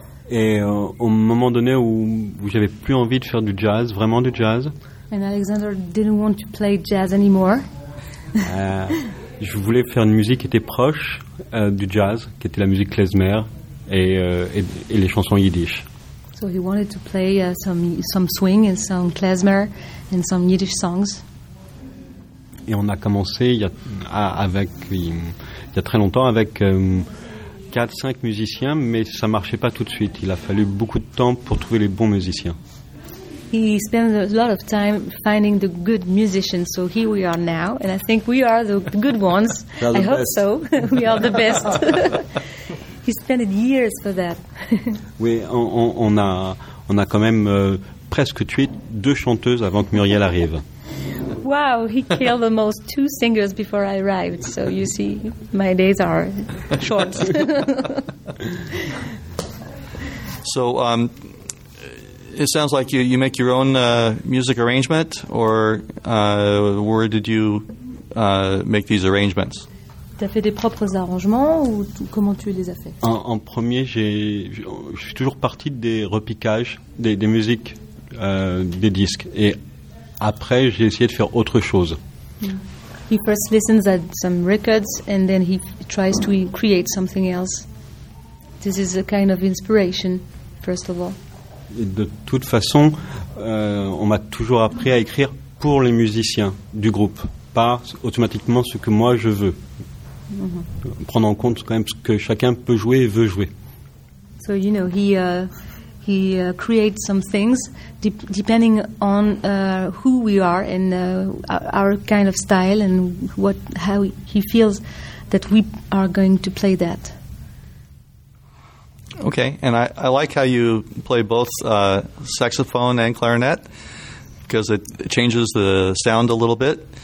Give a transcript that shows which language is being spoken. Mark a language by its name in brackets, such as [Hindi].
[French] Et au moment donné où j'avais plus envie de faire du jazz, vraiment du jazz. [English] And Alexander didn't want to play jazz anymore. [French] Je voulais faire une musique qui était proche du jazz, qui était la musique klezmer et les chansons yiddish. [English] So he wanted to play some swing and some klezmer and some yiddish songs. [French] Et on a commencé il y a très longtemps avec 4-5 musiciens, mais ça marchait pas tout de suite. Il a fallu beaucoup de temps pour trouver les bons musiciens. [English] He spent a lot of time finding the good musicians, so here we are now, and I think we are the good ones. The I best. Hope so. We are the best. He spent years for that. [French] Oui, on a quand même presque tué deux chanteuses avant que Muriel arrive. [English] Wow, he killed almost two singers before I arrived, so you see, my days are short. So, it sounds like you make your own music arrangement, or where did you make these arrangements? [French] Tu as fait tes propres arrangements, ou comment tu les as fait? En premier, je suis toujours parti des repiquages, des musiques, des disques, et après, j'ai essayé de faire autre chose. [English] He first listens at some records and then he tries to create something else. This is a kind of inspiration, first of all. [French] De toute façon, on m'a toujours appris à écrire pour les musiciens du groupe, pas automatiquement ce que moi je veux. Mm-hmm. Prendre en compte quand même ce que chacun peut jouer et veut jouer. [English] So, you know, he creates some things depending on who we are and our kind of style and how he feels that we are going to play that. Okay, and I like how you play both saxophone and clarinet because it changes the sound a little bit.